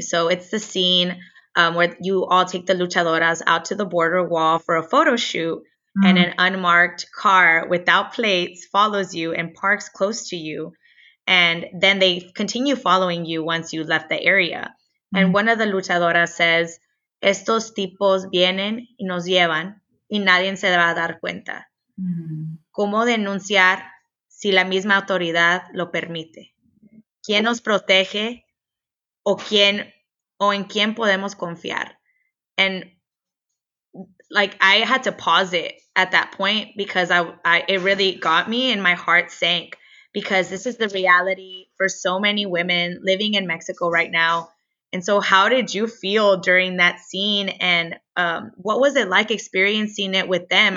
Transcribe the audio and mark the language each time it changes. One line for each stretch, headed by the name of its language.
English: So it's the scene where you all take the luchadoras out to the border wall for a photo shoot, mm-hmm. and an unmarked car without plates follows you and parks close to you, and then they continue following you once you left the area. Mm-hmm. And one of the luchadoras says,
Spanish: "Estos tipos vienen y nos llevan y nadie se va a dar cuenta. Mm-hmm. ¿Cómo denunciar si la misma autoridad lo permite? ¿Quién nos protege o en quién podemos confiar?"
English: And like, I had to pause it at that point because I it really got me, and my heart sank, because this is the reality for so many women living in Mexico right now. And so how did you feel during that scene, and what was it like experiencing it with them?